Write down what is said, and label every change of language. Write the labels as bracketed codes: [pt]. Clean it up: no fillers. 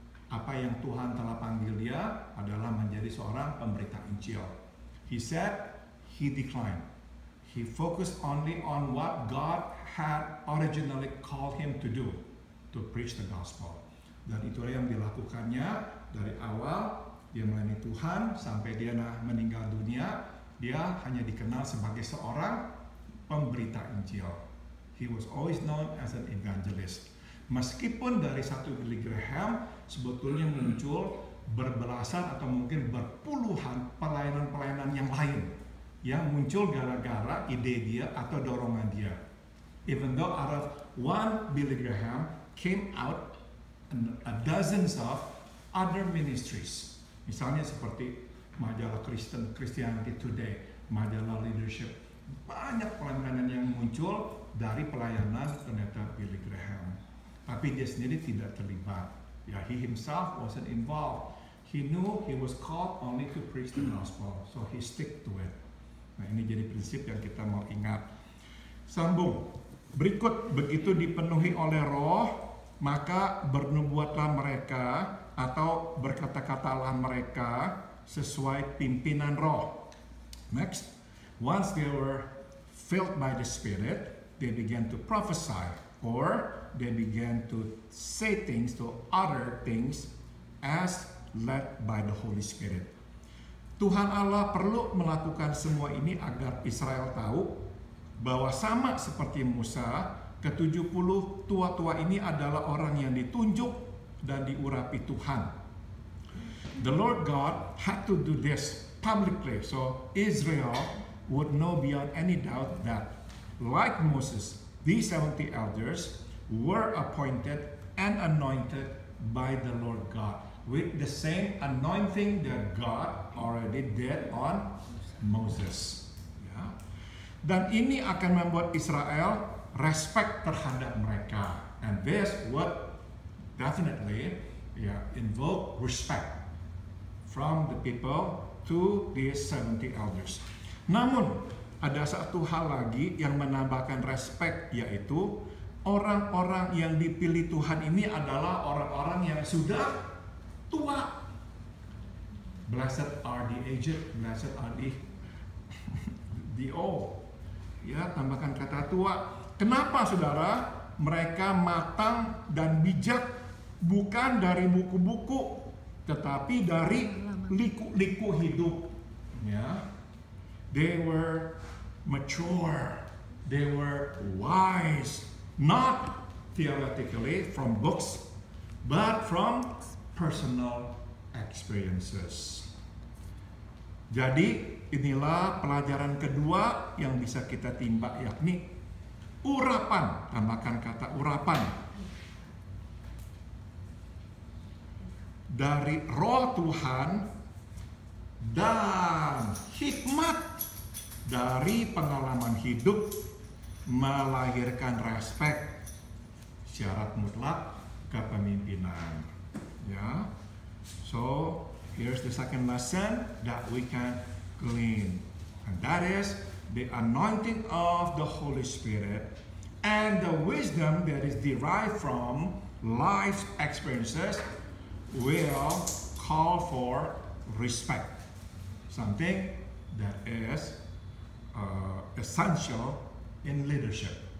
[id] Apa yang Tuhan telah panggil dia adalah menjadi seorang pemberita Injil. [en] He said he declined. He focused only on what God had originally called him to do, to preach the gospel. [id] Dan itulah yang dilakukannya dari awal dia melayani Tuhan sampai dia meninggal dunia. Dia hanya dikenal sebagai seorang pemberita Injil. [en] He was always known as an evangelist. [id] Meskipun dari satu Billy Graham sebetulnya muncul berbelasan atau mungkin berpuluhan pelayanan-pelayanan yang lain yang muncul gara-gara ide dia atau dorongan dia. [en] Even though out of one Billy Graham came out a dozens of other ministries. [id] Misalnya seperti majalah Kristen, Christianity Today, majalah Leadership. Banyak pelayanan yang muncul dari pelayanan pendeta Billy Graham. Tapi dia sendiri tidak terlibat. [en] Ya, he himself wasn't involved. He knew he was called only to preach the gospel. So he stick to it. [id] Nah, ini jadi prinsip yang kita mau ingat. Sambung. Berikut, begitu dipenuhi oleh roh, maka bernubuatlah mereka atau berkata-katalah mereka sesuai pimpinan roh. [en] Next. Once they were filled by the Spirit, they began to prophesy, or they began to say things to other things as led by the Holy Spirit. [id] Tuhan Allah perlu melakukan semua ini agar Israel tahu bahwa sama seperti Musa, ke-70 tua-tua ini adalah orang yang ditunjuk dan diurapi Tuhan. [en] The Lord God had to do this publicly so Israel would know beyond any doubt that, like Moses, these 70 elders were appointed and anointed by the Lord God with the same anointing that God already did on Moses. Yeah. [id] Dan ini akan membuat Israel respect terhadap mereka. [en] And this would definitely invoke respect from the people to these 70 elders. [id] Namun, ada satu hal lagi yang menambahkan respect, yaitu orang-orang yang dipilih Tuhan ini adalah orang-orang yang sudah tua. [en] Blessed are the aged, blessed are the old. [id] Ya, tambahkan kata tua. Kenapa, saudara, mereka matang dan bijak bukan dari buku-buku, tetapi dari liku-liku hidup. Ya. [en] They were mature, they were wise, not theoretically from books, but from personal experiences. [id] Jadi inilah pelajaran kedua yang bisa kita timbak, yakni urapan, tambahkan kata urapan, dari roh Tuhan dan hikmat dari pengalaman hidup melahirkan respek, syarat mutlak kepemimpinan. [en] Ya, so here's the second lesson that we can glean, and that is the anointing of the Holy Spirit and the wisdom that is derived from life experiences will call for respect, something that is essential in leadership.